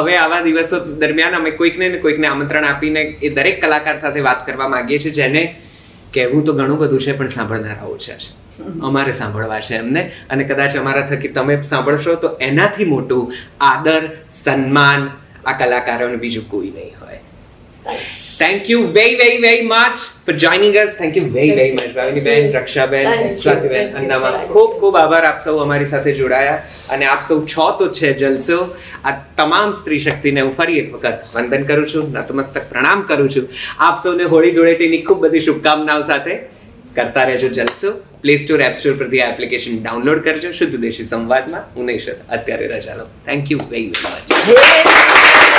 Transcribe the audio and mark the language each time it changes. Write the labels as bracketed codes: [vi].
[gu] હવે આવા દિવસો દરમિયાન અમે કોઈકને ને કોઈકને આમંત્રણ આપીને એ દરેક કલાકાર સાથે વાત કરવા માંગીએ છીએ જેને કહેવું તો ઘણું બધું છે પણ સાંભળનારા ઓછા છે. અમારે સાંભળવા છે એમને, અને કદાચ અમારા થકી તમે સાંભળશો તો એનાથી મોટું આદર સન્માન આ કલાકારોને બીજું કોઈ નહીં હોય. [en] Thank you very, very, very much for joining us. Thank you very, very much, Bhaviniben, Rakshaben, Swatiben, અંદામા. [gu] ખૂબ ખૂબ આભાર આપ સૌ અમારી સાથે જોડાયા. અને આપ સૌ છો તો છે જલસો. આ તમામ સ્ત્રી શક્તિને હું ફરી એક વખત વંદન કરું છું, નતમસ્તક પ્રણામ કરું છું. આપ સૌને હોળી ધૂળેટીની ખૂબ બધી શુભકામનાઓ સાથે. કરતા રહેજો જલસો. પ્લે સ્ટોર એપ સ્ટોર પરથી આ એપ્લિકેશન ડાઉનલોડ કરજો. શુદ્ધ દેશી સંવાદમાં હું નહીં અત્યારે રજા લઉં. [en] Thank you very very much.